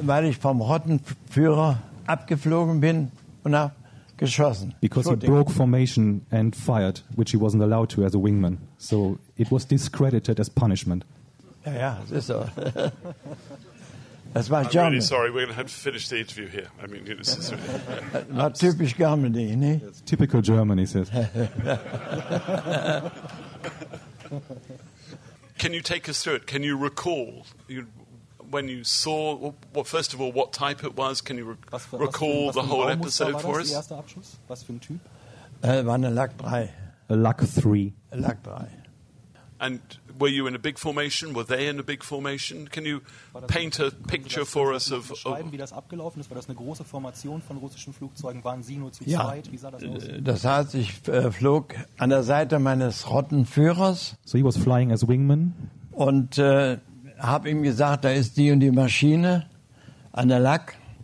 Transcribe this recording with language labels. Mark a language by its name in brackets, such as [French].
[German] Weil ich vom Rottenführer abgeflogen bin und habe geschossen. [English] Because he broke formation and fired, which he wasn't allowed to as a wingman. So it was discredited as punishment. [German] Ja, ja, das ist so. [English] That's my German. I'm really sorry, we're going to have to finish the interview here. I mean, this is really... Not typisch Germany, ne? Yes. Typical Germany, he says. Can you take us through it? Can you recall... When you saw, well, first of all, what type it was, can you recall the whole episode for us? [German] Was für ein Typ? War eine Lack 3. [English] A Lack 3. A Lack 3. And were you in a big formation? Were they in a big formation? Can you paint a picture for us of... [German] Schreiben, wie das abgelaufen ist? War das eine große Formation von russischen Flugzeugen? Waren Sie nur zu zweit? Wie sah das aus? Das heißt, ich flog an der Seite meines Rottenführers. [English] So he was flying as wingman. [German] Und... hab ihm gesagt, da ist die und die Maschine an der Lack.